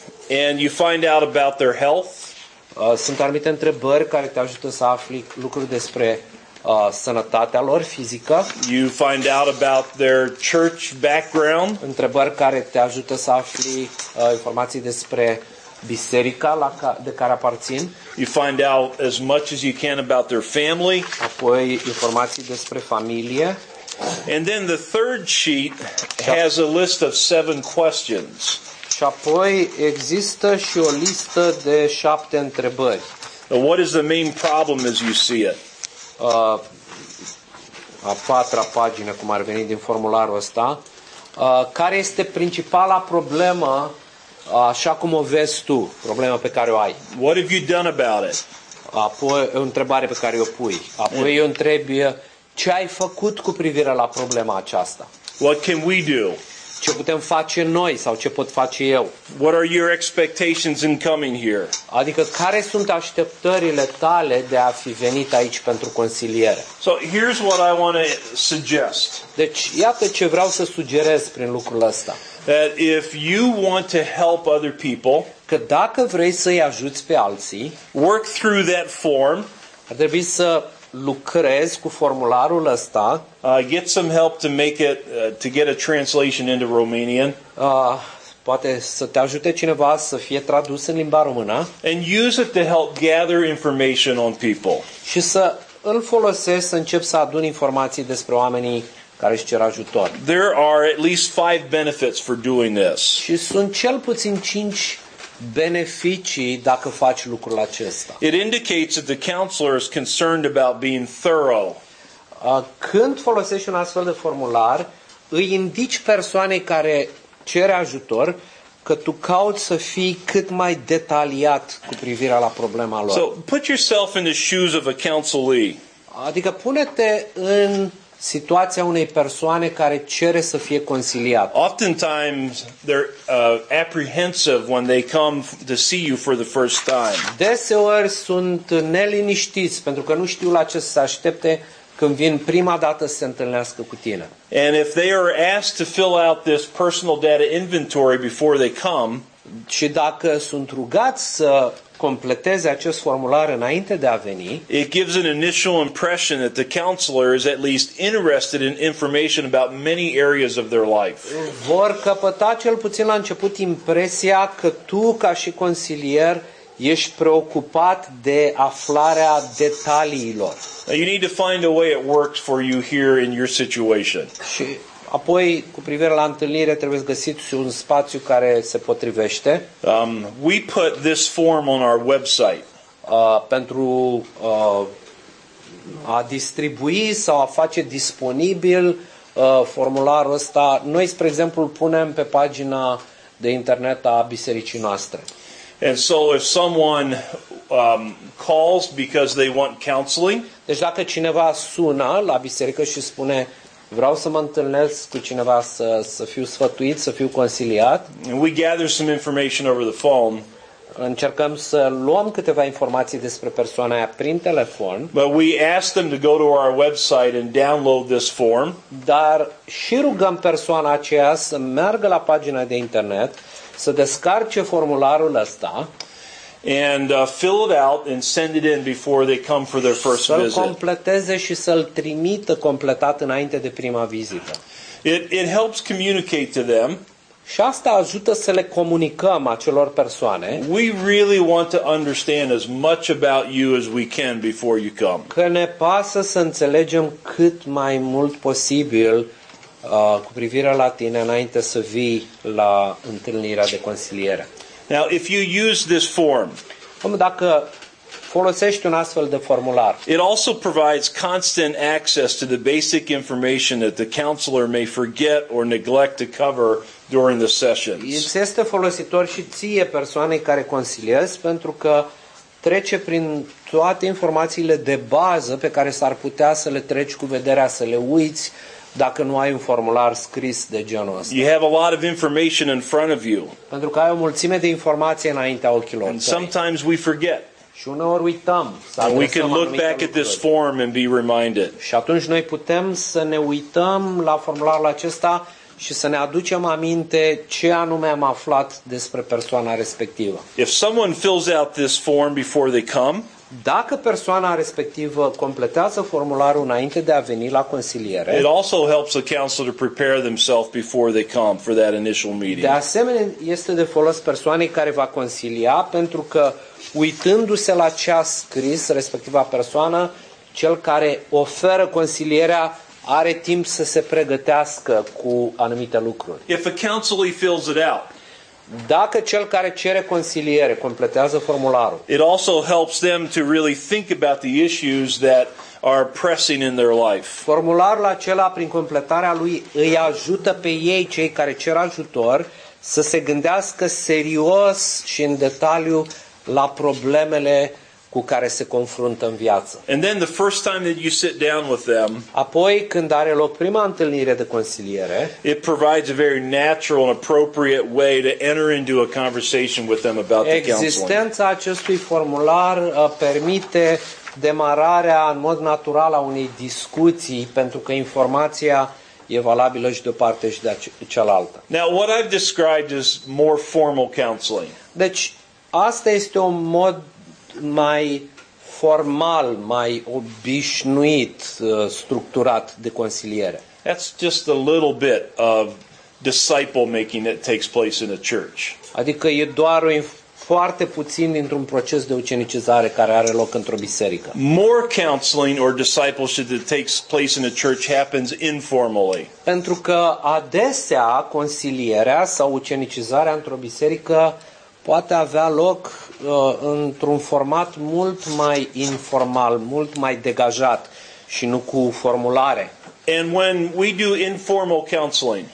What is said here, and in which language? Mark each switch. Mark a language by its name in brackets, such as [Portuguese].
[English] And you find out about their health. [Romanian] Sunt anumite întrebări care te ajută să afli lucruri despre sănătatea lor fizică. [English] You find out about their church background. [Romanian] Întrebări care te ajută să afli informații despre biserica la de care aparțin. [English] You find out as much as you can about their family. [Romanian] Apoi informații despre familie. [English] And then the third sheet has a list of 7 questions. [Romanian] Și apoi există și o listă de 7 întrebări. [English] What is the main problem as you see it? [Romanian] A patra pagină, cum ar veni din formularul ăsta. Care este principala problemă așa cum o vezi tu, problema pe care o ai? [English] What have you done about it? [Romanian] Apoi e o întrebare pe care o pui. Apoi eu întreb ce ai făcut cu privire la problema aceasta? [English] What can we do? [Romanian] Ce putem face noi sau ce pot face eu? [English] What are your expectations in coming here? [Romanian] Adică care sunt așteptările tale de a fi venit aici pentru consiliere? [English] So here's what I want to suggest. [Romanian] Deci iată ce vreau să sugerez prin lucrul ăsta. [English] That if you want to help other people, [Romanian] că dacă vrei să-i ajuți pe alții, [English] work through that form, [Romanian] ar trebui să lucrezi cu formularul ăsta. [English] Get some help to make it to get a translation into Romanian. [Romanian] Poate să te ajute cineva să fie tradus în limba română. [English] And use it to help gather information on people. [Romanian] Și să îl folosești să începi să aduni informații despre oamenii care își cer ajutor. [English] There are at least 5 benefits for doing this. [Romanian] Și sunt cel puțin 5 beneficii dacă faci lucrul acesta. [English] It indicates that the counselor is concerned about being thorough. [Romanian] Când folosești un astfel de formular, îi indici persoanei care cere ajutor că tu cauți să fii cât mai detaliat cu privire la problema lor. [English] So, put yourself in the shoes of a counselee. [Romanian] Adică pune-te în situația unei persoane care cere să fie consiliat. [English] Oftentimes they're apprehensive when they come to see you for the first time. [Romanian] Deseori sunt neliniștiți pentru că nu știu la ce să aștepte când vin prima dată să se întâlnească cu tine. [English] And if they are asked to fill out this personal data inventory before they come, [Romanian] și dacă sunt rugați să completeze acest formular înainte de a veni, [English] it gives an initial impression that the counselor is at least interested in information about many areas of their life. [Romanian] Vor căpăta cel puțin la început impresia că tu, ca și consilier, ești preocupat de aflarea detaliilor. [English] Now you need to find a way it works for you here in your situation. [Romanian] Și apoi, cu privire la întâlnire, trebuie să găsiți un spațiu care se potrivește. [English] We put this form on our website. [Romanian] Pentru a distribui sau a face disponibil formularul ăsta, noi, spre exemplu, îl punem pe pagina de internet a bisericii noastre. [English] And so if someone calls because they want counseling. [Romanian] Deci dacă cineva sună la biserică și spune vreau să mă întâlnesc cu cineva să fiu sfătuit, să fiu consiliat. [English] We gather some information over the phone. [Romanian] Încercăm să luăm câteva informații despre persoana aia prin telefon. [English] But we ask them to go to our website and download this form. [Romanian] Dar și rugăm persoana aceea să meargă la pagina de internet, să descarce formularul ăsta. [English] And fill it out and send it in before they come for their first visit. [Romanian] Să-l completeze și să-l trimită completat înainte de prima vizită. [English] It helps communicate to them. [Romanian] Și asta ajută să le comunicăm acelor persoane. [English] We really want to understand as much about you as we can before you come. [Romanian] Că ne pasă să înțelegem cât mai mult posibil cu privire la tine înainte să vii la întâlnirea de consiliere. [English] Now, if you use this form, [Romanian] dacă folosești un astfel de formular, [English] it also provides constant access to the basic information that the counselor may forget or neglect to cover during the sessions. [Romanian] Este folositor și ție persoanei care consiliezi, pentru că trece prin toate informațiile de bază pe care s-ar putea să le treci cu vederea, să le uiți, dacă nu ai un formular scris de genul ăsta. [English] You have a lot of information in front of you. [Romanian] Pentru că ai o mulțime de informații înaintea ochilor tăi. [English] And sometimes we forget. [Romanian] Și uneori uităm. [English] And we can look back at this form and be reminded. [Romanian] Și atunci noi putem să ne uităm la formularul acesta și să ne aducem aminte ce anume am aflat despre persoana respectivă. [English] If someone fills out this form before they come, [Romanian] dacă persoana respectivă completează formularul înainte de a veni la consiliere, [English] it also helps the counselor to prepare themselves before they come for that initial meeting. [Romanian] De asemenea, este de folos persoanei care va consilia, pentru că uitându-se la ce a scris respectiva persoană, cel care oferă consilierea are timp să se pregătească cu anumite lucruri. [English] If a counselor fills it out, [Romanian] dacă cel care cere consiliere completează formularul, [English] it also helps them to really think about the issues that are pressing in their life. [Romanian] Formularul acela, prin completarea lui, îi ajută pe ei, cei care cer ajutor, să se gândească serios și în detaliu la problemele cu care se confruntă în viață. [English] And then the first time that you sit down with them, [Romanian] apoi când are loc prima întâlnire de consiliere, [English] it provides a very natural and appropriate way to enter into a conversation with them about the counseling. [Romanian] Existența acestui formular permite demararea în mod natural a unei discuții, pentru că informația e valabilă și de o parte și de cealaltă. [English] Now what I've described is more formal counseling. [Romanian] Deci asta este un mod mai formal, mai obișnuit, structurat de consiliere. [English] That's just a little bit of disciple making that takes place in a church. [Romanian] Adică e doar foarte puțin dintr-un proces de ucenicizare care are loc într-o biserică. [English] More counseling or discipleship that takes place in a church happens informally. [Romanian] Pentru că adesea consilierea sau ucenicizarea într-o biserică poate avea loc într-un format mult mai informal, mult mai degajat și nu cu formulare. [English] And when we do informal counseling,